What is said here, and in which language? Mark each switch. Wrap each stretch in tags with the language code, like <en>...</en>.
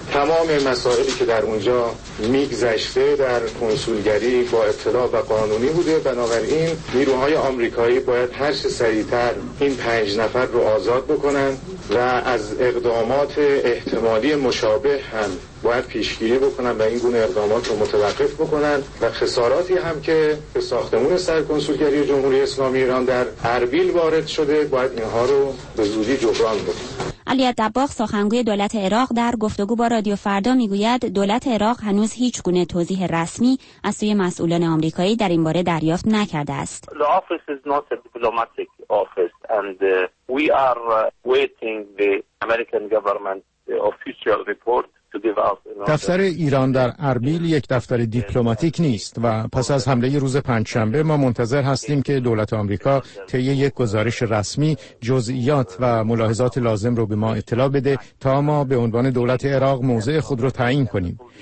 <fa>تمام مسائلی که در اونجا میگذشته در کنسولگری با اطلاع و قانونی بوده، بنابراین نیروهای آمریکایی باید هر چه سریعتر این 5 نفر رو آزاد بکنن و از اقدامات احتمالی مشابه هم باید پیشگیری بکنن و این گونه اقدامات رو متوقف بکنن و خساراتی هم که به ساختمان سرکنسولگری جمهوری اسلامی ایران در اربیل وارد شده باید اینها رو به زودی جبران بکنن. علی دباغ، سخنگوی دولت عراق، در گفتگو با رادیو فردا میگوید دولت عراق هنوز هیچ گونه توضیح رسمی از سوی مسئولان آمریکایی در این باره دریافت نکرده است.</fa> <en>The office is not a diplomatic office and we are waiting the American government official report.</en> <fa>دفتر ایران در اربیل یک دفتر دیپلماتیک نیست و پس از حمله روز پنجشنبه ما منتظر هستیم که دولت آمریکا طی یک گزارش رسمی جزئیات و ملاحظات لازم رو به ما اطلاع بده تا ما به عنوان دولت عراق موضع خود رو تعیین کنیم.</fa>